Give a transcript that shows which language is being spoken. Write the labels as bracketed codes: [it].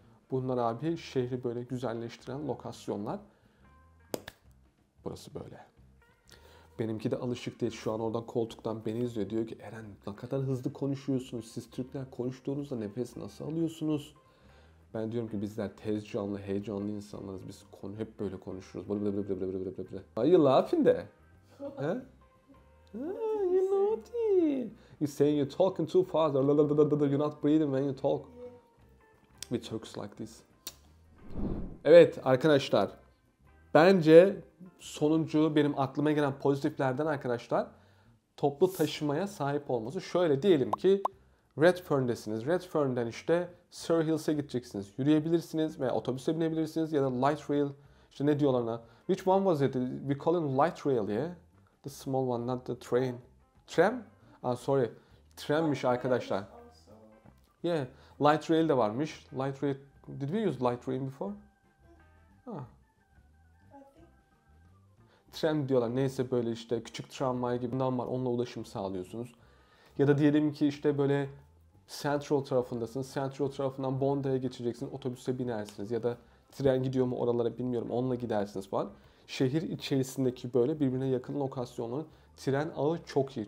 [tr] Bunlar abi şehri böyle güzelleştiren lokasyonlar. Burası böyle. Benimki de alışık değil. Şu an oradan koltuktan beni izliyor. Diyor ki Eren ne kadar hızlı konuşuyorsunuz. Siz Türkler konuştuğunuzda nefes nasıl alıyorsunuz? Ben diyorum ki bizler tez canlı, heyecanlı insanlarız. Biz hep böyle konuşuruz. Bıra bıra bıra bıra bıra bıra bıra bıra. [en] Are you laughing there? He? You naughty. You're saying you're talking too fast. You're not breathing when you talk. We talks like this. [tr] Evet arkadaşlar. Bence sonuncu benim aklıma gelen pozitiflerden arkadaşlar toplu taşımaya sahip olması. Şöyle diyelim ki Redfern'desiniz. Redfern'den işte Surrey Hills'e gideceksiniz. Yürüyebilirsiniz veya otobüse binebilirsiniz ya da light rail. İşte ne diyorlar ona? [en] Which one was it? We call it light rail, yeah? The small one, not the train. [tr] Tram? Trammiş arkadaşlar. [en] Yeah, [tr] light rail de varmış. Light rail. [en] Did we use light rail before? [tr] Tram diyorlar. Neyse böyle işte küçük tramvay gibi bundan var. Onunla ulaşım sağlıyorsunuz. Ya da diyelim ki işte böyle Central tarafındasın. Central tarafından Bondi'ye geçeceksin. Otobüse binersiniz. Ya da tren gidiyor mu oralara bilmiyorum. Onunla gidersiniz falan. Şehir içerisindeki böyle birbirine yakın lokasyonların tren ağı çok iyi.